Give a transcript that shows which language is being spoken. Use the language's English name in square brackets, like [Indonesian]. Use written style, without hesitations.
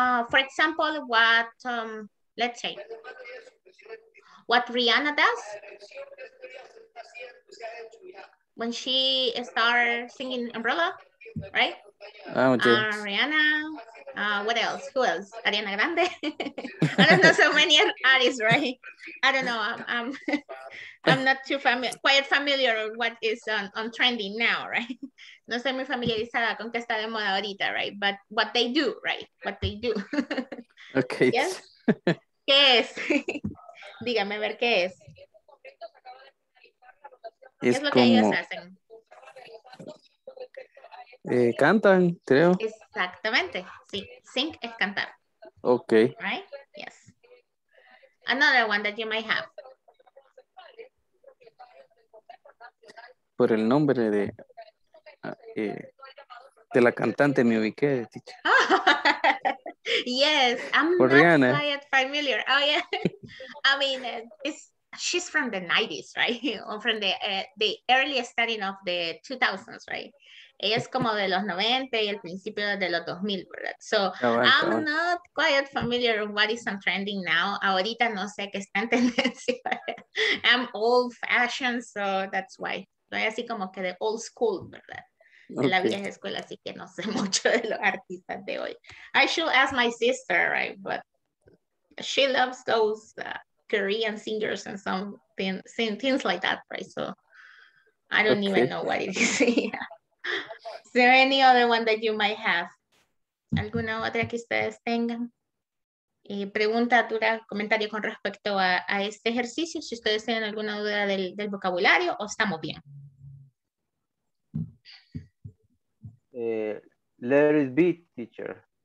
[English] For example, what, let's say, what Rihanna does, when she started singing Umbrella, right? Rihanna, what else? Who else? Ariana Grande? I don't know so many artists, right? I don't know. I'm not too quite familiar with what is on trending now, right? [Spanish] No soy muy familiarizada con que está de moda ahorita, right? [English] But what they do, right? What they do. Okay. [Spanish] Yes? ¿Qué es? Dígame a ver qué es. Es lo como, que ellos hacen. Cantan, creo. Exactamente. Sí, sing es cantar. [English] Ok. Right? Yes. Another one that you might have. [Spanish] Por el nombre de la cantante me ubiqué, teacher. [English] Oh. Yes, I'm por not Rihanna. Quite familiar. Oh, yeah. I mean, it's... She's from the 90s, right? Or from the early starting of the 2000s, right? [Spanish] Ella es como de los 90 y el principio de los 2000, ¿verdad? [English] So, I'm not quite familiar with what is on trending now. [Spanish] Ahorita no sé qué está en tendencia. [English] I'm old fashioned, so that's why. [Spanish] Soy así como que de [English] old school, [Spanish] ¿verdad? De la vieja escuela, así que no sé mucho de los artistas de hoy. [English] I should ask my sister, right? But she loves those Korean singers and something, things like that, right? So I don't okay. even know what it is. Is there any other one that you might have? [Spanish] ¿Alguna otra que ustedes tengan? Pregunta, duda, comentario con respecto a este ejercicio, si ustedes tienen alguna duda del vocabulario o estamos bien. [English] Let it be, teacher.